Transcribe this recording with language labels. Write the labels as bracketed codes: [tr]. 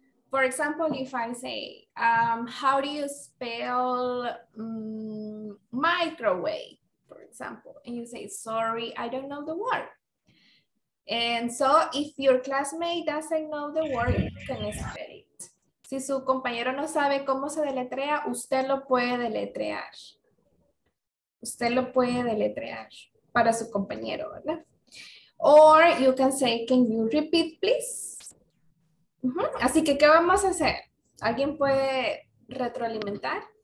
[en] For example, if I say, how do you spell microwave, for example, and you say, sorry, I don't know the word. And so if your classmate doesn't know the word, you can spell it. [es] Si su compañero no sabe cómo se deletrea, usted lo puede deletrear. Usted lo puede deletrear para su compañero, ¿verdad? [en] Or you can say, can you repeat, please? [es] Así que, ¿qué vamos a hacer? ¿Alguien puede retroalimentar?